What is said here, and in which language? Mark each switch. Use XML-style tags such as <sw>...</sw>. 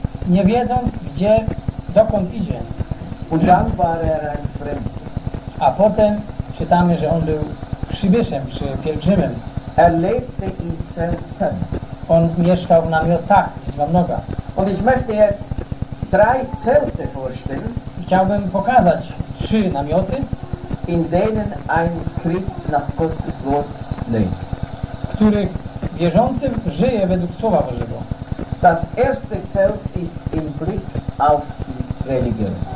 <pl>Nie wiedząc, gdzie, dokąd idzie.</pl> <de>Und dann war er ein</de> <pl>A potem czytamy, że on był przybyszem czy pielgrzymem.</pl> <de>Er lebte in Zelten.</de> <pl>On mieszkał w namiotach, gdzieś wam noga.</pl> <de>Und ich möchte jetzt drei Zelte vorstellen.</de> <pl>Chciałbym pokazać trzy namioty,</pl> <de>in denen ein Christ nach Gottes Wort lebt.</de> <pl>Których wierzący żyje według Słowa Bożego.</pl> <de>Das erste Zelt ist im Blick auf die Religion.</de>